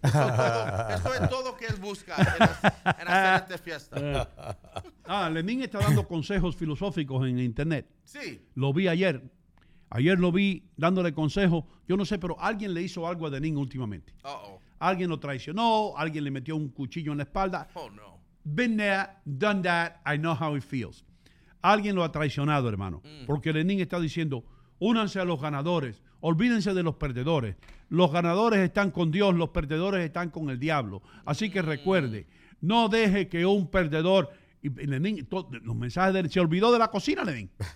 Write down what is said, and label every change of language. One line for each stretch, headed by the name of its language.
Spanish: Esto es todo que él busca en hacer esta fiesta. Lenin está dando consejos filosóficos en internet. Sí. Lo vi ayer. Ayer lo vi dándole consejos. Yo no sé, pero alguien le hizo algo a Lenin últimamente. Uh-oh. Alguien lo traicionó, alguien le metió un cuchillo en la espalda. Oh, no.
English: Been there, done that, I know how it feels.
Spanish: Alguien lo ha traicionado, hermano. Mm. Porque Lenin está diciendo, únanse a los ganadores, olvídense de los perdedores. Los ganadores están con Dios, los perdedores están con el diablo. Así que recuerde, no deje que un perdedor... Y Lenin, los mensajes de Lenin, se olvidó de la cocina, Lenin.